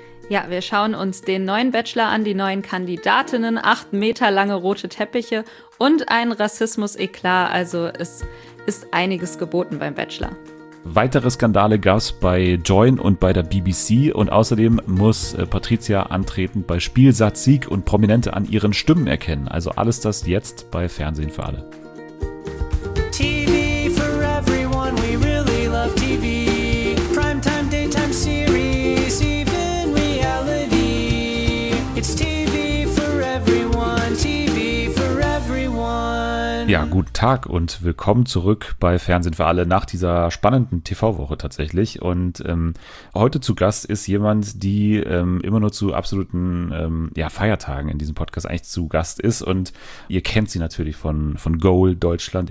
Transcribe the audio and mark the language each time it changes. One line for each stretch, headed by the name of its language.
German: Ja, wir schauen uns den neuen Bachelor an, die neuen Kandidatinnen, 8 Meter lange rote Teppiche und ein Rassismus-Eklat. Also es ist einiges geboten beim Bachelor. Weitere Skandale gab es bei Join und bei der BBC und außerdem muss Patricia antreten bei Spielsatz Sieg und Prominente an ihren Stimmen erkennen. Also alles das jetzt bei Fernsehen für alle.
English: TV for everyone, we really love TV. Primetime, daytime series, even reality. It's TV for everyone, TV for everyone.
German: Ja, guten Tag und willkommen zurück bei Fernsehen für alle nach dieser spannenden TV-Woche tatsächlich. Und heute zu Gast ist jemand, die immer nur zu absoluten Feiertagen in diesem Podcast eigentlich zu Gast ist. Und ihr kennt sie natürlich von Goal Deutschland.